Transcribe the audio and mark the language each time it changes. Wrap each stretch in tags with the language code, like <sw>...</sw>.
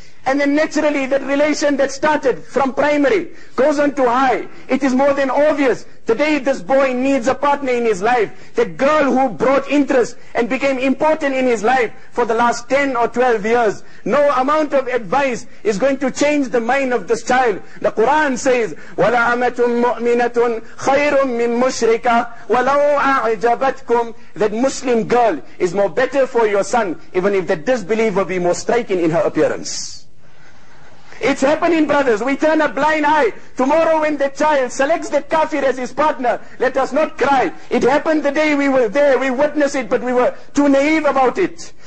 <en>And then naturally that relation that started from primary goes on to high. It is more than obvious. Today this boy needs a partner in his life. The girl who brought interest and became important in his life for the last 10 or 12 years. No amount of advice is going to change the mind of this child. The Quran says,</en> <ar>وَلَا أَمَةٌ مُؤْمِنَةٌ خَيْرٌ مِّن مُشْرِكَ وَلَوْ أَعْجَبَتْكُمْ.</ar> <en>That Muslim girl is more better for your son, even if the disbeliever be more striking in her appearance. It's happening, brothers. We turn a blind eye. Tomorrow when the child selects the kafir as his partner, let us not cry. It happened the day we were there. We witnessed it, but we were too naive about it.</en>